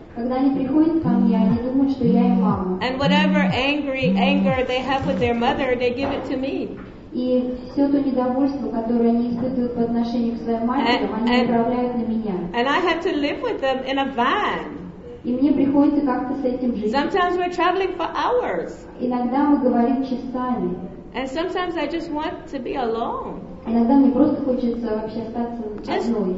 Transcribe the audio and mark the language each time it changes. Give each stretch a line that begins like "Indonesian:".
English: And whatever anger they have with their mother, they give it to me.
Russian: И все то недовольство, которое они испытывают по отношению к своим матерям, они направляют на меня.
English: And I have to live with them in a van.
Russian: И мне приходится как-то с этим жить.
English: Sometimes we're traveling for hours.
Russian: Иногда мы говорим часами.
English: And sometimes I just want to be alone.
Russian: Иногда мне просто хочется вообще остаться одной.